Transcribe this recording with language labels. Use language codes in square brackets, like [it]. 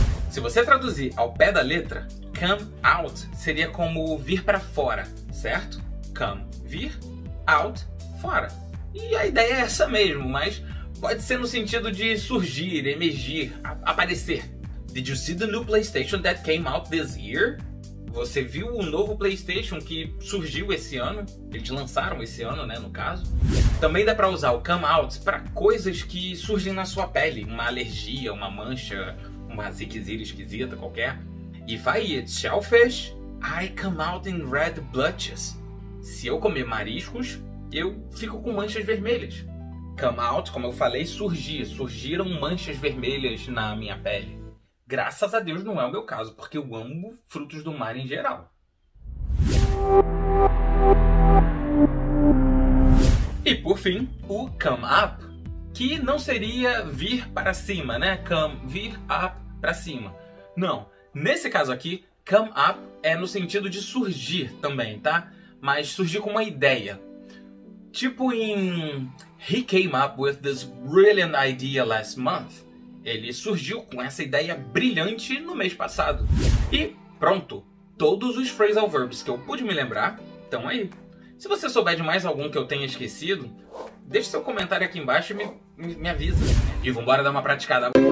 [pt] Se você traduzir ao pé da letra, come out seria como vir para fora, certo? Come, vir, out, fora. E a ideia é essa mesmo, mas pode ser no sentido de surgir, emergir, aparecer. [en] Did you see the new PlayStation that came out this year? [pt] Você viu o novo PlayStation que surgiu esse ano? Eles lançaram esse ano, né, no caso? Também dá para usar o come out para coisas que surgem na sua pele, uma alergia, uma mancha, uma ziquezira esquisita qualquer. [en] If I eat shellfish, I come out in red blotches. [pt] Se eu comer mariscos, eu fico com manchas vermelhas. Come out, como eu falei, surgir. Surgiram manchas vermelhas na minha pele. Graças a Deus não é o meu caso, porque eu amo frutos do mar em geral. E por fim, o come up, que não seria vir para cima, né? Come, vir, up, para cima. Não, nesse caso aqui, come up é no sentido de surgir também, tá? Mas surgir com uma ideia. Tipo em [en] He came up with this brilliant idea last month. [pt] Ele surgiu com essa ideia brilhante no mês passado. E pronto, todos os phrasal verbs que eu pude me lembrar estão aí. Se você souber de mais algum que eu tenha esquecido, deixe seu comentário aqui embaixo e me avisa. E vambora dar uma praticada.